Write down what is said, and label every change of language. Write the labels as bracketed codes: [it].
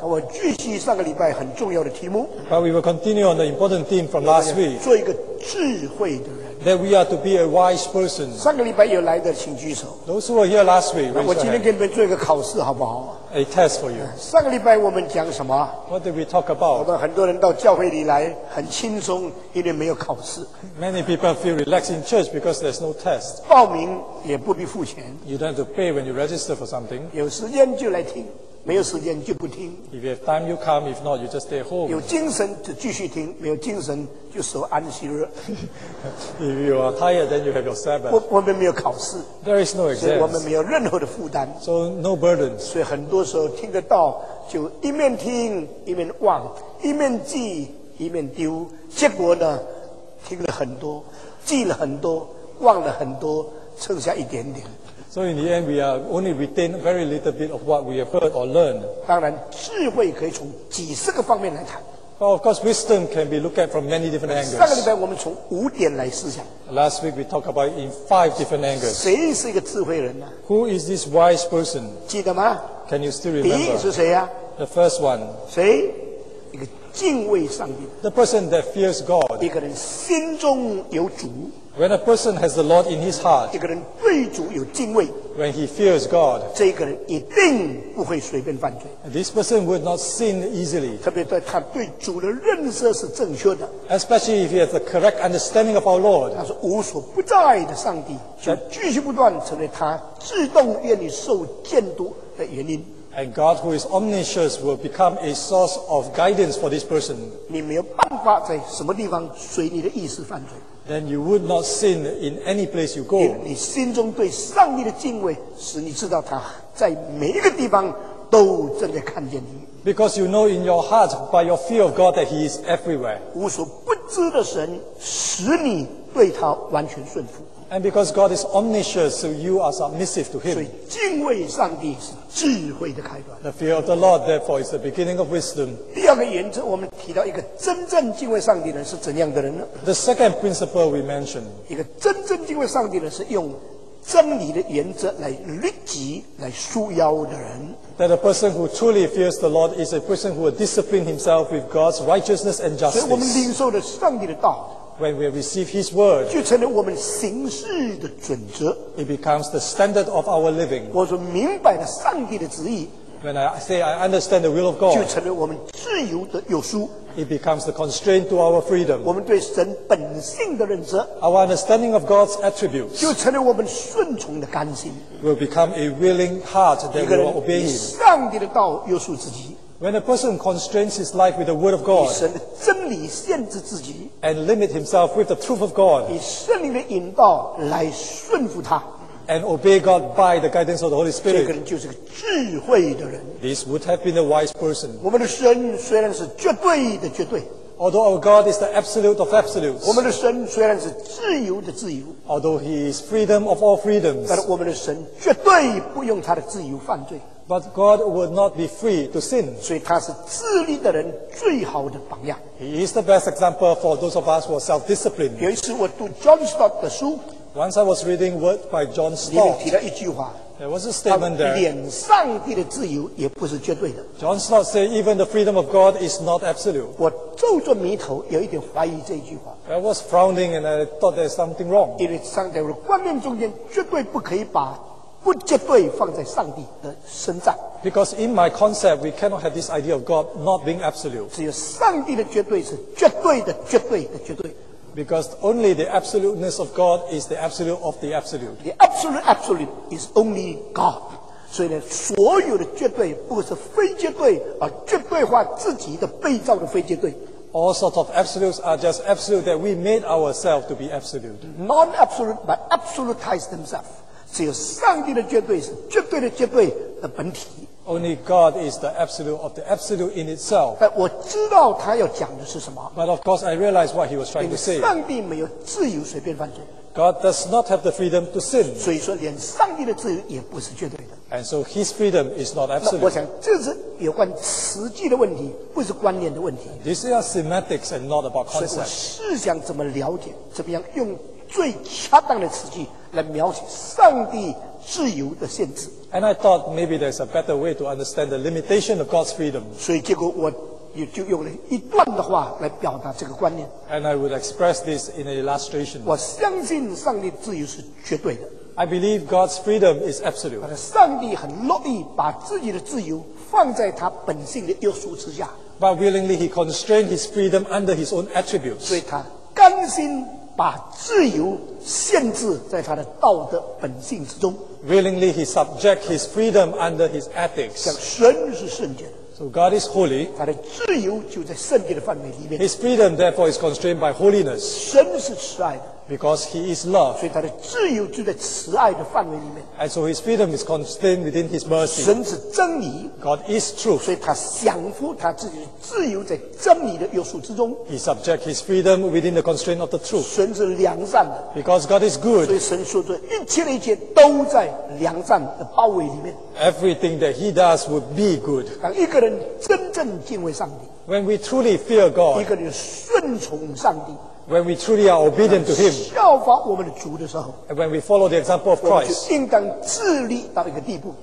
[zh] 我继续上个礼拜很重要的题目。 [en] But we will continue on the important theme from last week. [zh] 做一个智慧的人。 [en] That we are to be a wise person. [zh] 上个礼拜有来的请举手。 [en] Those who were here last week, raise your hand. [zh] 我今天给你们做一个考试好不好？ [en] A test for you. [zh] 上个礼拜我们讲什么？ [en] What did we talk about? [zh] 我们很多人到教会里来很轻松，因为没有考试。 [en] Many people feel relaxed in church because there's no test. [zh] 报名也不必付钱。 [en] You don't have to pay when you register for something. [zh] 有时间就来听，没有时间就不听。 [en] If you have time, you come. If not, you just stay home. [zh] 有精神就继续听，没有精神就守安息日。 [en] If you are tired, then you have your Sabbath. [zh] 我们没有考试。 [en] There is no exam. [zh] 所以我们没有任何的负担。 [en] So no burden. [zh] 所以很多时候听得到，就一面听一面忘，一面记一面丢。结果呢，听了很多，记了很多，忘了很多，剩下一点点。 [en] So in the end, we are only retain very little bit of what we have heard or learned. [zh] 当然，智慧可以从几十个方面来谈。 [en] Well, of course, wisdom can be looked at from many different angles. [zh] 上个礼拜我们从五点来思想。 [en] Last week we talked about in five different angles. [zh] 谁是一个智慧人呢？ [en] Who is this wise person? [zh] 记得吗？ [en] Can you still remember? [zh] 第一是谁呀？ [en] The first one. [zh] 谁？一个敬畏上帝。 [en] The person that fears God. [zh] 一个人心中有主。 [en] When a person has the Lord in his heart, [zh] 一个人对主有敬畏, [en] when he fears God, [zh] 这个人一定不会随便犯罪, [en] this person would not sin easily, [zh] 特别对他对主的认识是正确的, [en] especially if he has the correct understanding of our Lord. [zh] 他是无所不在的上帝, 就继续不断成为他自动愿意受监督的原因。 [en] And God who is omniscient will become a source of guidance for this person. [zh] 你没有办法在什么地方随你的意思犯罪。 [en] Then you would not sin in any place you go. [zh] 你心中对上帝的敬畏，使你知道他在每一个地方都正在看见你。 [en] Because you know in your heart by your fear of God that He is everywhere. [zh] 无所不知的神，使你对他完全顺服。 [en] And because God is omniscient, so you are submissive to Him. [zh] 所以敬畏上帝是智慧的开端。 [en] The fear of the Lord, therefore, is the beginning of wisdom. [zh] 第二个原则，我们提到一个真正敬畏上帝的人是怎样的人呢？ [en] The second principle we mentioned. [zh] 一个真正敬畏上帝的人是用真理的原则来律己、来束腰的人。 [en] That a person who truly fears the Lord is a person who will discipline himself with God's righteousness and justice. [zh] 所以我们领受的上帝的道。 [en] When we receive His word, [zh] 就成了我们行事的准则。 [en] It becomes the standard of our living. [zh] 我说明白了上帝的旨意。 [en] When I say I understand the will of God, [zh] 就成了我们自由的有书。 [en] It becomes the constraint to our freedom. [zh] 我们对神本性的认知。 [en] Our understanding of God's attributes, [zh] 就成了我们顺从的甘心。 [en] Will become a willing heart that will obey Him. [zh] 一个人以上帝的道约束自己。 [en] When a person constrains his life with the word of God, [zh] 以神的真理限制自己, [en] and limit himself with the truth of God, [zh] 以圣灵的引导来顺服他, [en] and obey God by the guidance of the Holy Spirit, [zh] 这个人就是个智慧的人, [en] this would have been a wise person. [zh] 我们的神虽然是绝对的绝对, [en] although our God is the absolute of absolutes, [zh] 我们的神虽然是自由的自由, [en] although He is freedom of all freedoms, [zh] 但我们的神绝对不用他的自由犯罪。 [en] But God would not be free to sin. [zh] 所以他是自立的人最好的榜样。 [en] He is the best example for those of us who are self-disciplined. [zh] 有一次我读 John Stott 的书。 [en] Once I was reading word by John Stott. [zh] 里面提了一句话。 [en] There was a statement there. [zh] 连上帝的自由也不是绝对的。 [en] John Stott said even the freedom of God is not absolute. [zh] 我皱着眉头有一点怀疑这句话。 [en] I was frowning and I thought there's something wrong. [zh] 因为上帝的观念中间绝对不可以把不绝对放在上帝的身上。 [en] Because in my concept, we cannot have this idea of God not being absolute. [zh] 只有上帝的绝对是绝对的绝对的绝对。 [en] Because only the absoluteness of God is the absolute of the absolute. The absolute absolute is only God. [zh] 所以呢，所有的绝对不是非绝对，而绝对化自己的被造的非绝对。 [en] All sorts of absolutes are just absolute that we made ourselves to be absolute. Non-absolute but absolutize themselves. [zh] 只有上帝的绝对是绝对的绝对的本体。 [en] Only God is the absolute of the absolute in itself. [zh] 但我知道他要讲的是什么。 [en] But of course I realize what he was trying to say. [zh] 上帝没有自由随便犯罪。 [en] God does not have the freedom to sin. [zh] 所以说连上帝的自由也不是绝对的。 [en] And so his freedom is not absolute. [zh] 那我想这是有关实际的问题，不是观念的问题。 [en] This is semantics and not about concept. [zh] 所以我是想怎么了解，怎么样用最恰当的词句来描写上帝自由的限制。 [en] And I thought maybe there's a better way to understand the limitation of God's freedom. [zh] 所以结果我也就用了一段的话来表达这个观念。 [en] And I would express this in an illustration. [zh] 我相信上帝自由是绝对的。 [en] I believe God's freedom is absolute. [zh] 但上帝很乐意把自己的自由放在他本性的约束之下。 [en] But willingly he constrained his freedom under his own attributes. [zh] 所以他甘心把自由限制在他的道德本性之中。 [en] Willingly he subject his freedom under his ethics. [zh] 像神是圣洁的。 [en] So God is holy. [zh] 他的自由就在圣洁的范围里面。 [en] His freedom therefore is constrained by holiness. [zh] 神是慈爱的。 [en] Because he is love. [zh] 所以他的自由就在慈爱的范围里面。 [en] And so his freedom is constrained within his mercy. [zh] 神是真理。 [en] God is truth. [zh] 所以他享福他自己的自由在真理的约束之中。 [en] He subject his freedom within the constraint of the truth. [zh] 神是良善的。 [en] Because God is good. [zh] 所以神说的一切的一切都在良善的包围里面。 [en] Everything that he does would be good. [zh] 当一个人真正敬畏上帝。 [en] When we truly fear God. [zh] 一个人顺从上帝。 [en] When we truly are obedient to Him, [zh] 效法我们的主的时候, [en] and when we follow the example of Christ, [zh] 我们就应当自立到一个地步,